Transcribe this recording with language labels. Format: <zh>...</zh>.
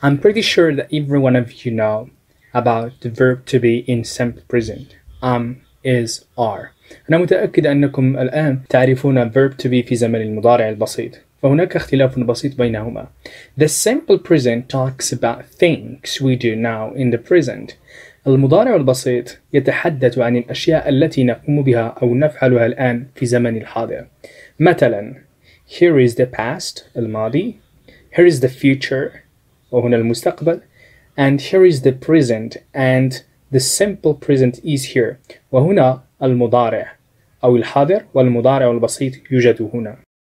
<en>I'm pretty sure that every one of you know about the verb to be in simple present. Is, are.</en> <ar>أنا متأكد أنكم الآن تعرفون verb to be في زمن المضارع البسيط. فهناك اختلاف بسيط بينهما.</ar> <en>The simple present talks about things we do now in the present.</en> <ar>المضارع البسيط يتحدث عن الأشياء التي نقوم بها أو نفعلها الآن في زمن الحاضر.</ar> <en>مثلا here is the past الماضي, here is the future</en> <ar>وهنا المستقبل,</ar> <en>and here is the present and the simple present is here</en> <ar>وهنا المضارع أو الحاضر والمضارع البسيط يوجد هنا.</ar>